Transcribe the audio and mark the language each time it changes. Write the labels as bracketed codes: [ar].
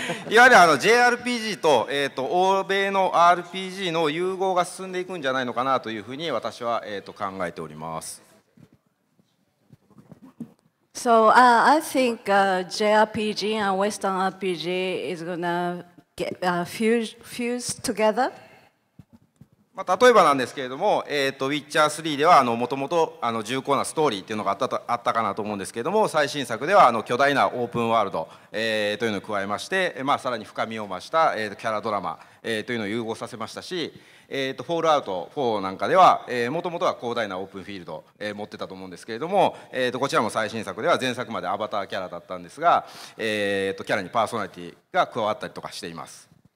[ja] いわゆるJRPG と、欧米の RPG の融合が進んでいくんじゃないのかなというふうに私は、考えております。 [en] So I think JRPG and Western RPG is gonna get fuse together. [ja] まあ、例えばなんですけれども、ウィッチャー3ではもともと重厚なストーリーっていうのがあったかなと思うんですけれども、最新作では巨大なオープンワールド、というのを加えまして、まあ、さらに深みを増した、キャラドラマ、というのを融合させましたし、フォールアウト4なんかではもともとは広大なオープンフィールド、持ってたと思うんですけれども、こちらも最新作では前作までアバターキャラだったんですが、キャラにパーソナリティが加わったりとかしています。